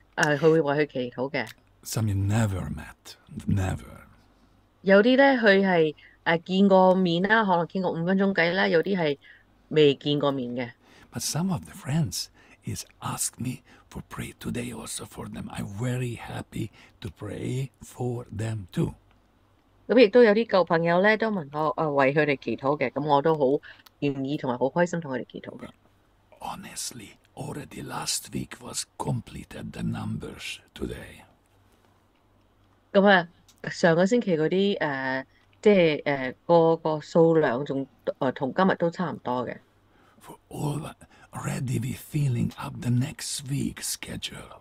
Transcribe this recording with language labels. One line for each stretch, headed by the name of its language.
Chinese: 咁咧，牧師今日都話今日有好多新嘅姊妹啦，佢會為佢祈禱嘅。
English: Some you never met, never.
Chinese: 有啲咧，佢係。見過面啦，可能傾過5分鐘偈啦，有啲係未見過面嘅。
English: But some of the friends is ask me for pray today also for them. I'm very happy to pray for them too.
Chinese: 咁亦都有啲舊朋友咧，都問我為佢哋祈禱嘅。咁我都好願意同埋好開心同佢哋祈禱嘅。
English: Honestly, already last week was completed the numbers today.
Chinese: 咁啊，上個星期嗰啲。即係個數量仲同今日都差唔多嘅。
English: For already we filling up the next week's schedule.